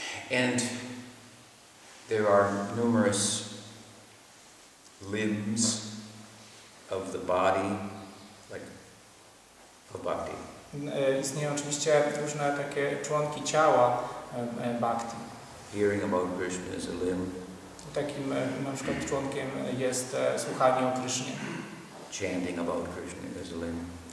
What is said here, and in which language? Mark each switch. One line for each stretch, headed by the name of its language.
English: And there are numerous limbs of the body, like a bhakti.
Polish: Istnieją oczywiście różne takie członki ciała bhakti.
English: Hearing about Krishna is a limb.
Polish: Takim na przykład członkiem jest słuchanie o Krishnie.
English: Chanting about Krishna is a limb.